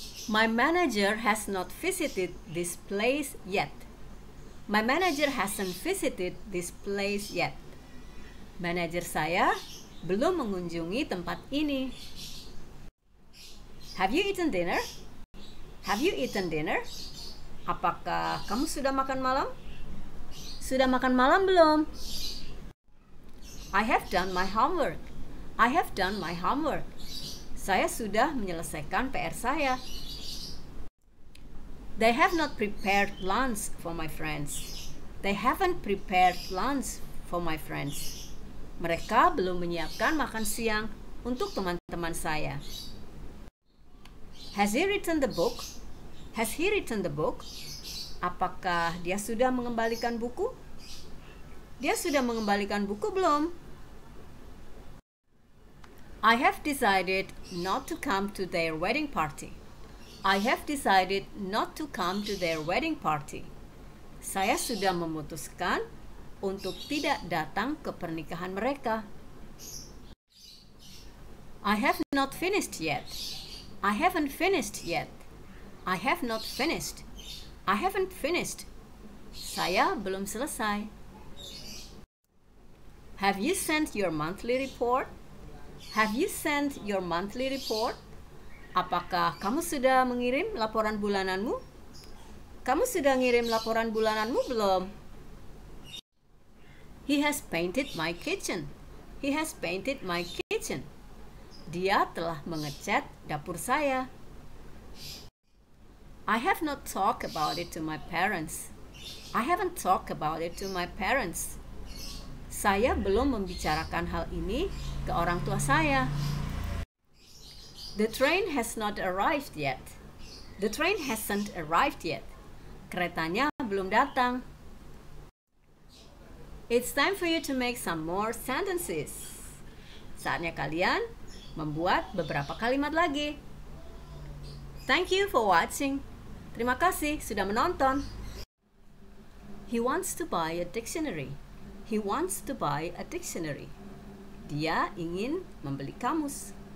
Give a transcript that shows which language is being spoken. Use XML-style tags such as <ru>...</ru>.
<en>My manager has not visited this place yet. My manager hasn't visited this place yet.</en> <id>Manager saya belum mengunjungi tempat ini.</id> <en>Have you eaten dinner? Have you eaten dinner?</en> <id>Apakah kamu sudah makan malam? Sudah makan malam belum?</id> <en>I have done my homework. I have done my homework.</en> <id>Saya sudah menyelesaikan PR saya.</id> <en>They have not prepared lunch for my friends. They haven't prepared lunch for my friends.</en> <id>Mereka belum menyiapkan makan siang untuk teman-teman saya.</id> <en>Has he written the book? Has he written the book?</en> <id>Apakah dia sudah mengembalikan buku? Dia sudah mengembalikan buku belum?</id> <en>I have decided not to come to their wedding party. I have decided not to come to their wedding party.</en> <id>Saya sudah memutuskan untuk tidak datang ke pernikahan mereka.</id> <en>I have not finished yet. I haven't finished yet. I have not finished. I haven't finished.</en> <id>Saya belum selesai.</id> <en>Have you sent your monthly report? Have you sent your monthly report?</en> <id>Apakah kamu sudah mengirim laporan bulananmu? Kamu sudah ngirim laporan bulananmu belum?</id> <en>He has painted my kitchen. He has painted my kitchen.</en> <id>Dia telah mengecat dapur saya.</id> <en>I have not talked about it to my parents. I haven't talked about it to my parents.</en> <id>Saya belum membicarakan hal ini ke orang tua saya.</id> <en>The train has not arrived yet. The train hasn't arrived yet.</en> <id>Keretanya belum datang.</id> <en>It's time for you to make some more sentences.</en> <id>Saatnya kalian membuat beberapa kalimat lagi.</id> <en>Thank you for watching.</en> <id>Terima kasih sudah menonton.</id> <en>He wants to buy a dictionary. He wants to buy a dictionary.</en> <id>Dia ingin membeli kamus.</id>